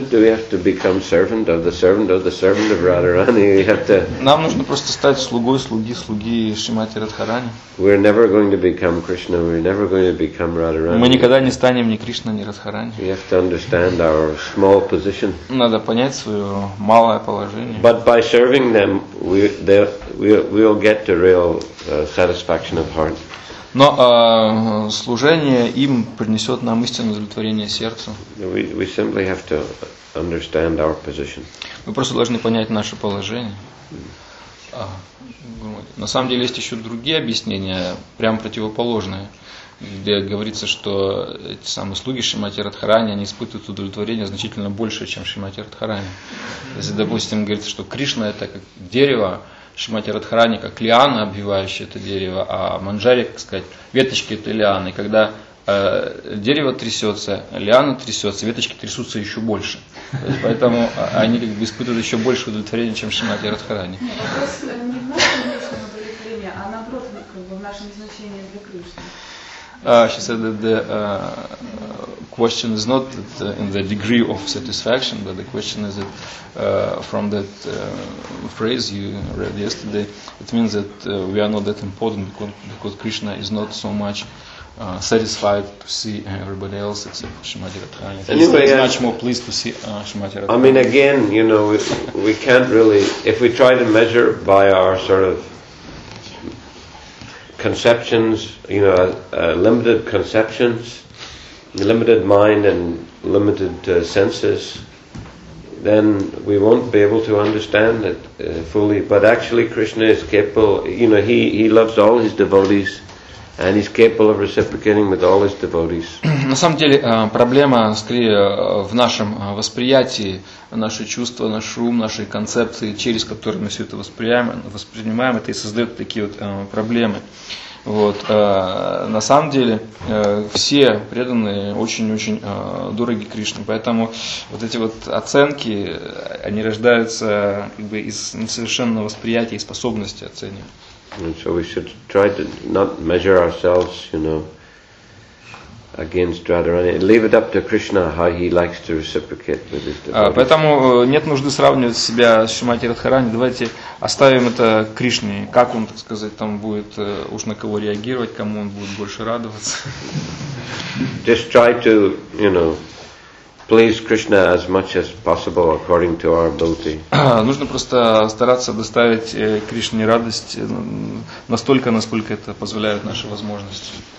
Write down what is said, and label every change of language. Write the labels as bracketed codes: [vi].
[en] Do we have to become servant of the servant of the servant of Radharani? We have to. [ru] Нам нужно просто стать слугой слуги слуги Шримати Радхарани. [en] We're never going to become Krishna. We're never going to become Radharani. [ru] Мы никогда не станем ни Кришна ни Радхарани. [en] We have to understand our small position. [ru] Надо понять свое малое положение. [en] But by serving them, we'll get the real satisfaction of heart. [ru] Но служение им принесет нам истинное удовлетворение сердцу. [en] We simply have to understand our position. [ru] Мы просто должны понять наше положение. На самом деле есть еще другие объяснения, прямо противоположные, где говорится, что эти самые слуги Шримати Радхарани, они испытывают удовлетворение значительно больше, чем Шримати Радхарани. Если, допустим, говорится, что Кришна это как дерево, Шримати Радхарани как лиана, обвивающая это дерево, а манджари, так сказать, веточки это лианы. И когда дерево трясется, лиана трясется, веточки трясутся еще больше. То есть, поэтому они как бы испытывают еще больше удовлетворения, чем Шримати Радхарани. Вопрос не в нашем внешнем удовлетворении, а наоборот, как бы в нашем значении для Кришны. [en] She said that the question is not that, in the degree of satisfaction, but the question is that from that phrase you read yesterday, it means that we are not that important because Krishna is not so much satisfied to see everybody else except Shrimati Radharani. Anyway, he's much more pleased to see Shrimati Radharani. I mean, again, you know, we can't really, if we try to measure by our sort of conceptions, you know, limited conceptions, limited mind and limited senses, then we won't be able to understand it fully. But actually Krishna is capable, you know, he loves all his devotees and he's capable of reciprocating with all his devotees. [ru] На самом деле проблема скорее в нашем восприятии, наши чувства, наш ум, наши концепции, через которые мы все это воспринимаем, это и создает такие вот проблемы. Вот, на самом деле все преданные очень-очень дороги Кришне, поэтому вот эти вот оценки, они рождаются как бы из несовершенного восприятия и способности оценивать. [en] So we should try to not measure ourselves, you know, against Radharani. Leave it up to Krishna how he likes to reciprocate with his devotees. [ru] Поэтому нет нужды сравнивать себя с Шримати Радхарани. Давайте оставим это Кришне. Как он, так сказать, там будет уж на кого реагировать, кому он будет больше радоваться. [en] Just try to, you know, please Krishna as much as possible according to our ability. [ru] Нужно просто стараться доставить Кришне радость настолько, насколько это позволяют наши возможности.